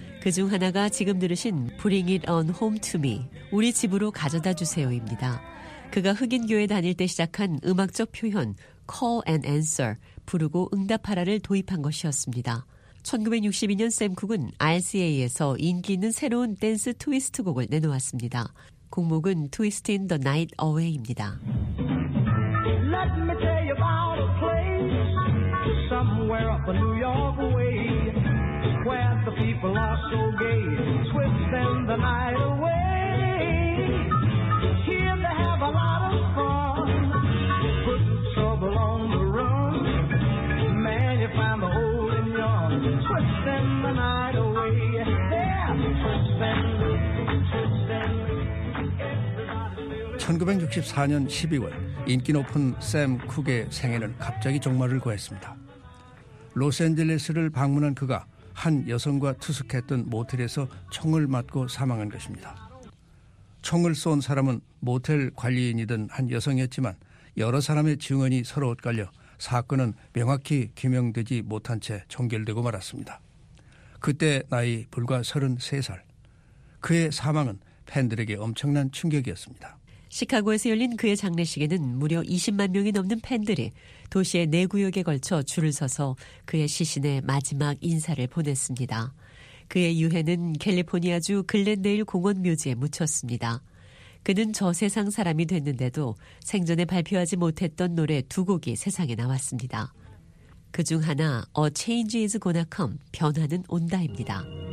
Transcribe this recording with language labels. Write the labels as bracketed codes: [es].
[ko] 그중 하나가 지금 들으신 Bring It On Home To Me, 우리 집으로 가져다 주세요입니다. 그가 흑인 교회 다닐 때 시작한 음악적 표현 Call and Answer, 부르고 응답하라를 도입한 것이었습니다. 1962년 샘 쿡은 RCA에서 인기 있는 새로운 댄스 트위스트 곡을 내놓았습니다. 곡목은 Twist in the Night Away입니다. [en] Let me tell you about a place. Somewhere up in New York way, where the people are so gay, twisting the night away. Here they have a lot of fun, put trouble on the run. Man, you find the hole in yarn, twisting the night away. Yeah, twisting. [ko] 1964년 12월 인기 높은 샘 쿡의 생애는 갑자기 종말을 구했습니다. 로스앤젤레스를 방문한 그가 한 여성과 투숙했던 모텔에서 총을 맞고 사망한 것입니다. 총을 쏜 사람은 모텔 관리인이던 한 여성이었지만 여러 사람의 증언이 서로 엇갈려 사건은 명확히 규명되지 못한 채 종결되고 말았습니다. 그때 나이 불과 33살. 그의 사망은 팬들에게 엄청난 충격이었습니다. 시카고에서 열린 그의 장례식에는 무려 20만 명이 넘는 팬들이 도시의 네 구역에 걸쳐 줄을 서서 그의 시신의 마지막 인사를 보냈습니다. 그의 유해는 캘리포니아주 글렌데일 공원 묘지에 묻혔습니다. 그는 저세상 사람이 됐는데도 생전에 발표하지 못했던 노래 두 곡이 세상에 나왔습니다. 그중 하나 A Change Is Gonna Come, 변화는 온다입니다.